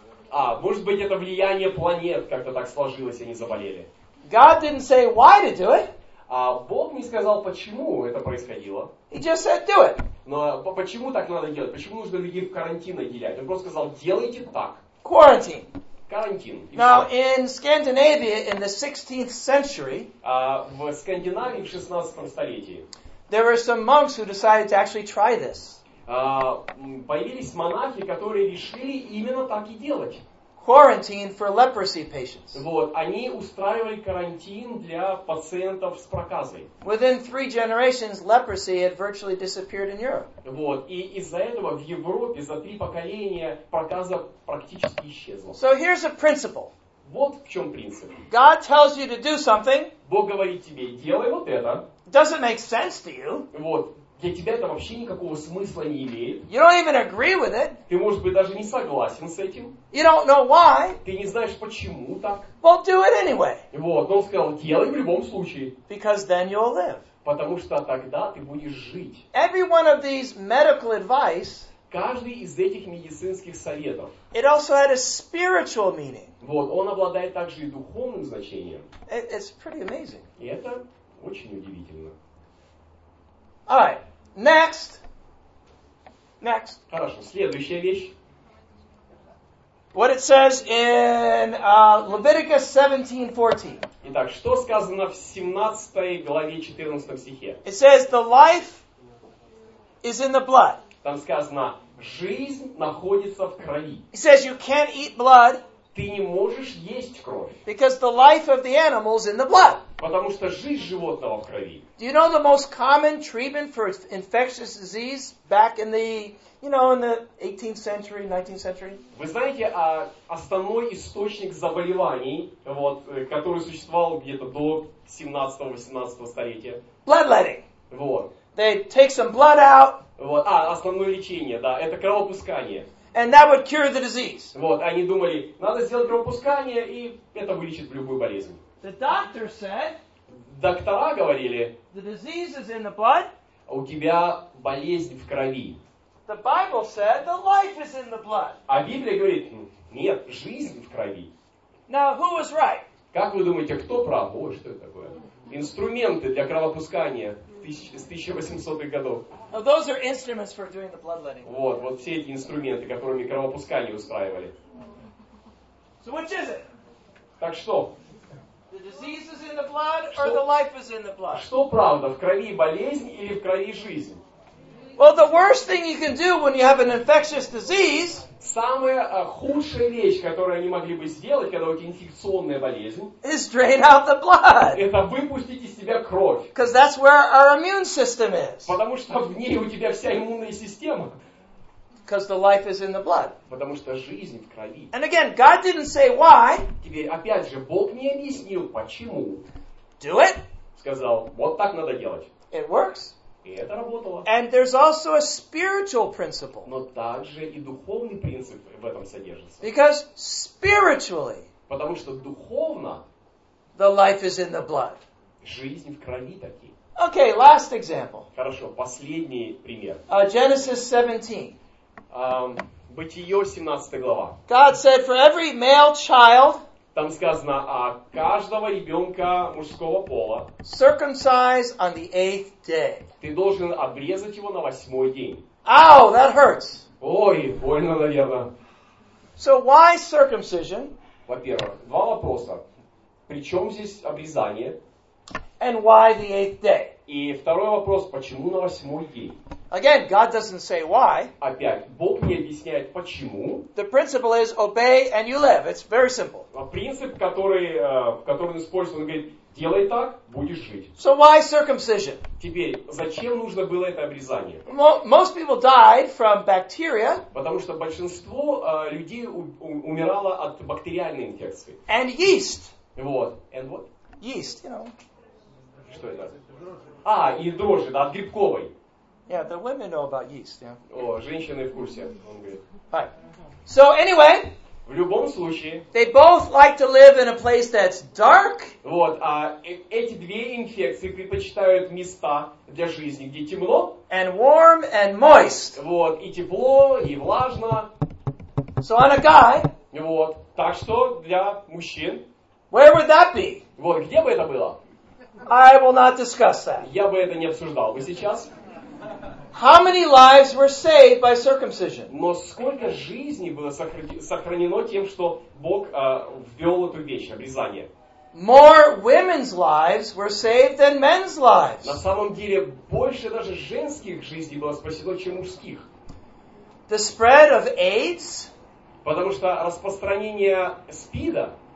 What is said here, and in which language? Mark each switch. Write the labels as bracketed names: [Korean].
[Russian] Может быть, это влияние планет как-то так сложилось, и они заболели. [English] God didn't say why to do it. [Russian] Бог не сказал, почему это происходило. [English] He just said, do it. [Russian] Но почему так надо делать? Почему нужно людей в карантин отделять? Он просто сказал, делайте так. [English] Quarantine. [Russian] Карантин. [English] Now, in Scandinavia, in the 16th century, [Russian] в Скандинавии в 16 столетии, [English] there were some monks who decided to actually try this. [Russian] Появились монахи, которые решили именно так и делать. [English] Quarantine for leprosy patients. [Russian] Вот, они устраивали карантин для пациентов с проказой. [English] Within three generations, leprosy had virtually disappeared in Europe. [Russian] Вот, и из-за этого в Европе за три поколения проказа практически исчезла. [English] So here's a principle. [Russian] Вот в чем принцип. [English] God tells you to do something. [Russian] Бог говорит тебе, делай вот это. [English] Doesn't make sense to you. [Russian] Вот, для тебя это вообще никакого смысла не имеет. [English] You don't even agree with it. [Russian] Ты, может быть, даже не согласен с этим. [English] You don't know why. [Russian] Ты не знаешь, почему так. [English] Well, do it anyway. [Russian] Вот, он сказал, делай в любом случае. [English] Because then you'll live. [Russian] Потому что тогда ты будешь жить. [English] Every one of these medical advice. [Russian] Каждый из этих медицинских советов. [English] It also had a spiritual meaning. [Russian] Вот, он обладает также и духовным значением. [English] It's pretty amazing. [Russian] И это... очень удивительно. [English] All right. Next. Next. [Russian] Хорошо. Следующая вещь. [English] What it says in Leviticus 17:14. [Russian] Итак, что сказано в 17 главе 14 стихе? [English] It says the life is in the blood. [Russian] Там сказано, жизнь находится в крови. [English] It says you can't eat blood. [Russian] Ты не можешь есть кровь. [English] Because the life of the animal is in the blood. [Russian] Потому что жизнь животного в крови. [English] Do you know the most common treatment for infectious disease back in the, you know, in the 18th century, 19th century? [Russian] Вы знаете, основной источник заболеваний, вот, который существовал где-то до 17-18 столетия? [English] Bloodletting. [Russian] Вот. [English] They take some blood out. [Russian] Вот, основное лечение, да, это кровопускание. [English] And that would cure the disease. [Russian] Вот, они думали, надо сделать кровопускание, и это вылечит любую болезнь. [English] The doctor said, [Russian] доктора говорили, [English] the disease is in the blood. [Russian] У тебя болезнь в крови. [English] The Bible said, the life is in the blood. [Russian] А Библия говорит, нет, жизнь в крови. [English] Now, who was right? [Russian] Как вы думаете, кто прав? Ой, что это такое? Инструменты для кровопускания с 1800-х годов. [English] Now, those are instruments for doing the bloodletting. [Russian] Вот, вот все эти инструменты, которыми кровопускание устраивали. [English] So which is it? [Russian] Так что? [English] The disease is in the blood, or the life is in the blood. [Russian] Что правда, в крови болезнь или в крови жизнь? [English] Well, the worst thing you can do when you have an infectious disease. [Russian] Самая худшая вещь, которую они могли бы сделать, когда у тебя инфекционная болезнь. [English] Is drain out the blood. [Russian] Это выпустить из себя кровь. [English] Because that's where our immune system is. [Russian] Потому что в ней у тебя вся иммунная система. [English] Because the life is in the blood. [Russian] Потому что жизнь в крови. [English] And again, God didn't say why. [Russian] теперь, опять же, Бог не объяснил, почему. [English] Do it. [Russian] Сказал, вот так надо делать. [English] It works. [Russian] И это работало. [English] And there's also a spiritual principle. [Russian] Но также и духовный принцип в этом содержится. [English] Because spiritually. [Russian] Потому что духовно. [English] The life is in the blood. [Russian] Жизнь в крови таки. [English] Okay, last example. [Russian] Хорошо, последний пример. [English] Genesis 17. [Russian] Бытие 17 глава. [English] God said for every male child. [Russian] Там сказано о каждого ребенка мужского пола. [English] Circumcise on the eighth day. [Russian] Ты должен обрезать его на восьмой день. [English] Ow, that hurts. [Russian] Ой, больно, наверное. [English] So why circumcision? [Russian] Во-первых, два вопроса. Причем здесь обрезание? [English] And why the eighth day? [Russian] И второй вопрос, почему на восьмой день? [English] Again, God doesn't say why. [Russian] Опять, Бог не объясняет почему. [English] The principle is obey and you live. It's very simple. [Russian] Принцип, который он использует, он говорит, делай так, будешь жить. [English] So why circumcision? [Russian] Теперь, зачем нужно было это обрезание? [English] Most people died from bacteria. [Russian] Потому что большинство людей умирало от бактериальной инфекции. [English] And yeast. Вот. And what? Yeast, you know. [Russian] Что это? А, и дрожжи, да, от грибковой. [English] Yeah, the women know about yeast, yeah. [Russian] О, женщины в курсе, он говорит. [English] Right. So anyway, [Russian] в любом случае, [English] they both like to live in a place that's dark. [Russian] Вот, а эти две инфекции предпочитают места для жизни, где темно. [English] And warm and moist. [Russian] Вот, и тепло, и влажно. [English] So on a guy. [Russian] Вот, так что для мужчин. [English] Where would that be? [Russian] Вот, где бы это было? [English] I will not discuss that. [Russian] Я бы это не обсуждал бы сейчас. [English] How many lives were saved by circumcision? [Russian] Но сколько жизней было сохранено тем, что Бог ввел эту вещь, обрезание? [English] More women's lives were saved than men's lives. [Russian] На самом деле, больше даже женских жизней было спасено, чем мужских. [English] The spread of AIDS? [Russian] Потому что распространение СПИДа